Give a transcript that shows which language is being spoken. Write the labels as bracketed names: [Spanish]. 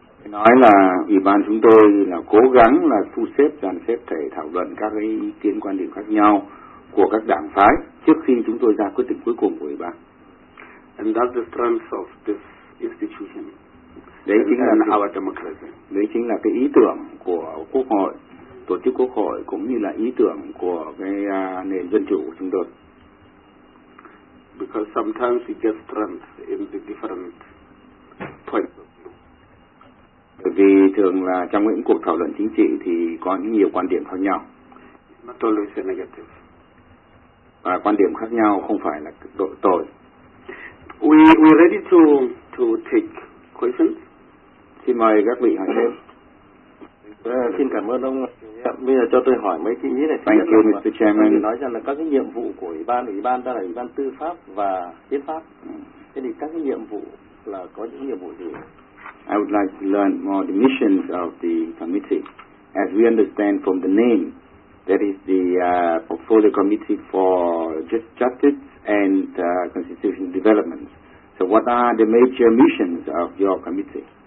[Vietnamese] Nói là ủy ban chúng tôi là cố gắng là thu xếp dàn xếp để thảo luận các cái ý kiến quan điểm khác nhau của các đảng phái trước khi chúng tôi ra quyết định cuối cùng của ủy ban. [English] And that's the strength of this institution. [Vietnamese] Đấy chính là [English] our democracy. [Vietnamese] Đấy chính là cái ý tưởng của quốc hội, tổ chức quốc hội cũng như là ý tưởng của cái nền dân chủ của chúng tôi. [English] Because sometimes we get strength in the different points. [Vietnamese] Bởi vì thường là trong những cuộc thảo luận chính trị thì có nhiều quan điểm khác nhau. [English] Not always a negative. [Vietnamese] Và quan điểm khác nhau không phải là tội. [English] We ready to take questions. [Vietnamese] Xin mời các vị hỏi thêm. Xin cảm ơn ông. Bây giờ cho tôi hỏi mấy cái ý này. [English] Thank you, Mr. Chairman. [Vietnamese] Nói rằng là các cái nhiệm vụ của ủy ban ta là ủy ban tư pháp và hiến pháp. Thế thì các cái nhiệm vụ là có những nhiệm vụ gì? [English] I would like to learn more the missions of the committee. As we understand from the name, that is the portfolio committee for justice and constitutional development. So what are the major missions of your committee?